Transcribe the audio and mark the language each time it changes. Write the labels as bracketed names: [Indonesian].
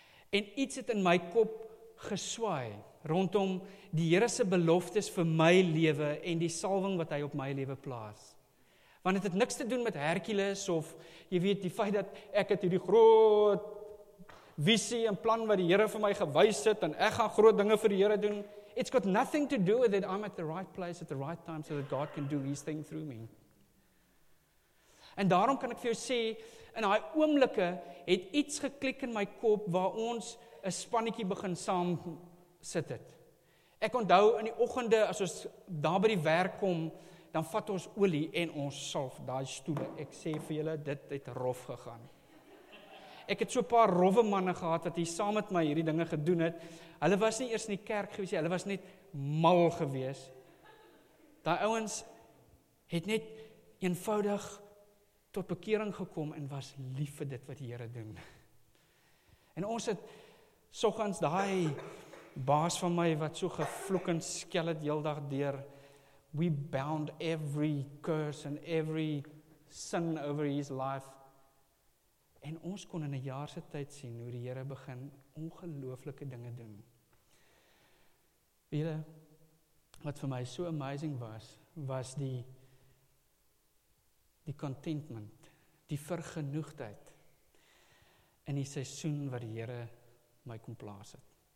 [Afrikaans] En iets het in my kop geswaai rondom die Here se beloftes vir my lewe en die salwing wat hy op my lewe plaas. Want het niks te doen met Hercules of jy weet die feit dat ek het hierdie groot visie en plan wat die Here vir my gewys het en ek gaan groot dinge vir die Here doen. [English] It's got nothing to do with that I'm at the right place at the right time so that God can do his thing through me. [Afrikaans] En daarom kan ek vir jou sê in daai oomblikke het iets geklik in my kop waar ons 'n spannetjie begin saam sit het. Ek onthou in die oggende as ons daar by die werk kom, dan vat ons olie en ons salf daai stoele. Ek sê vir julle, dit het rof gegaan. Ek het so 'n paar rowwe manne gehad wat hier saam met my hierdie dinge gedoen het. Hulle was nie eers in die kerk gewees nie, hulle was net mal gewees. Daai ouens het net eenvoudig tot bekering gekom en was lief vir dit wat die Here doen. En ons het soggens daai baas van my wat so gevloek en skel het heeldag deur, [English] we bound every curse and every sin over his life. [Afrikaans] En ons kon in 'n jaar se tyd sien hoe die Here begin ongelooflike dinge doen. Weet jy, wat vir my so amazing was, was die contentment, die vergenoegdheid in die seisoen wat die Here my kom plaas het.